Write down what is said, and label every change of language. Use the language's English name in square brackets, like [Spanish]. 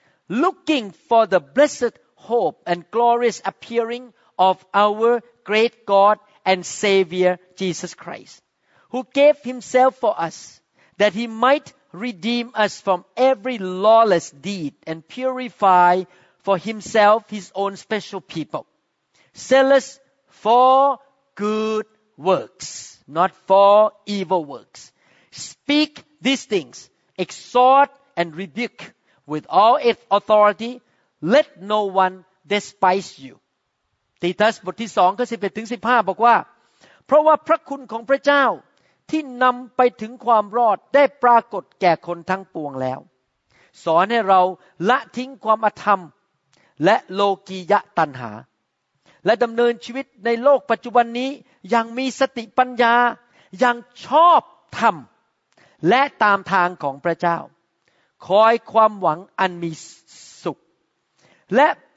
[English] looking for the blessed hope and glorious appearing of our great God and Savior Jesus Christ, who gave himself for us that he mightredeem us from every lawless deed and purify for himself his own special people. Zealous for good works, not for evil works. Speak these things, exhort and rebuke with all authority. Let no one despise you. [Thai] Titus บทที่2ข้อ11ถึง15บอกว่าเพราะว่าพระคุณของพระเจ้าที่นำไปถึงความรอดได้ปรากฏแก่คนทั้งปวงแล้วสอนให้เราละทิ้งความอธรรมและโลกียะตัณหาและดำเนินชีวิตในโลกปัจจุบันนี้อย่างมีสติปัญญาอย่างชอบธรรมและตามทางของพระเจ้าคอยความหวังอันมีสุขและ